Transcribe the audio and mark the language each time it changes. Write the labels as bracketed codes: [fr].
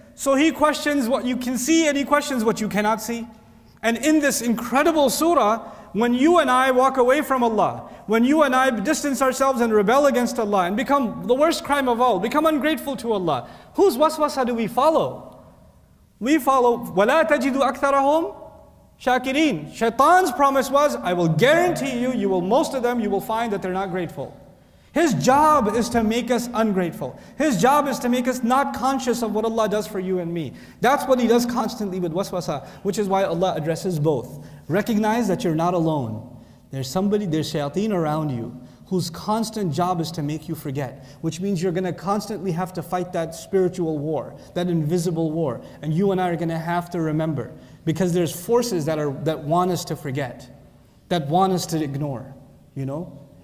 [en] So He questions what you can see and He questions what you cannot see. And in this incredible surah, when you and I walk away from Allah, when you and I distance ourselves and rebel against Allah and become the worst crime of all, become ungrateful to Allah, whose waswasa do we follow? We follow [ar] وَلَا تَجِدُ أَكْثَرَهُمْ شَاكِرِينَ. [en] Shaitan's promise was, I will guarantee you, you will find that they're not grateful. His job is to make us ungrateful. His job is to make us not conscious of what Allah does for you and me. That's what He does constantly with waswasa, which is why Allah addresses both. Recognize that you're not alone. There's shayateen around you whose constant job is to make you forget, which means you're gonna constantly have to fight that spiritual war, that invisible war, and you and I are gonna have to remember because there's forces that want us to forget, that want us to ignore, you know?